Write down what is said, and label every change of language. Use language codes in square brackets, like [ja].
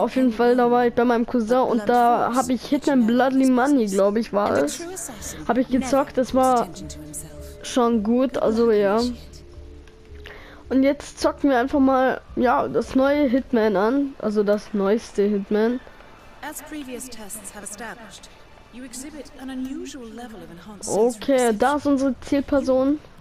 [de] Auf jeden Fall, da war ich bei meinem Cousin und da habe ich Hitman Bloody Money, glaube ich, war es. Habe ich gezockt, das war schon gut, also ja. Und jetzt zocken wir einfach mal, ja, das neue Hitman an. Also das neueste Hitman. [en] As previous tests have established, you exhibit an unusual level of enhanced. [de] Okay, da ist unsere Zielperson.